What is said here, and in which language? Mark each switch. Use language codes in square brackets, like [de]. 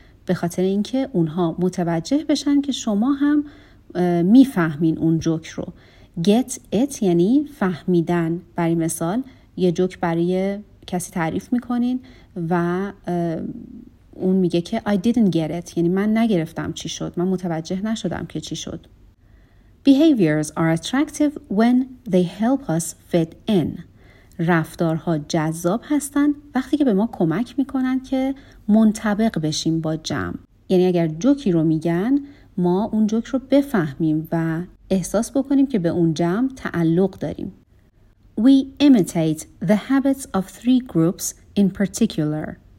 [fa] به خاطر اینکه اونها متوجه بشن که شما هم میفهمین اون جوک رو. Get it یعنی فهمیدن. برای مثال یه جوک برای کسی تعریف میکنین و اون میگه که [en] I didn't get it، [fa] یعنی من نگرفتم چی شد، من متوجه نشدم که چی شد. [en] Behaviors are attractive when they help us fit in. [fa] رفتارها جذاب هستن وقتی که به ما کمک میکنن که منطبق بشیم با جمع. یعنی اگر جوکی رو میگن ما اون جوک رو بفهمیم و احساس بکنیم که به اون جمع تعلق داریم. [en] We imitate the habits of three groups in particular.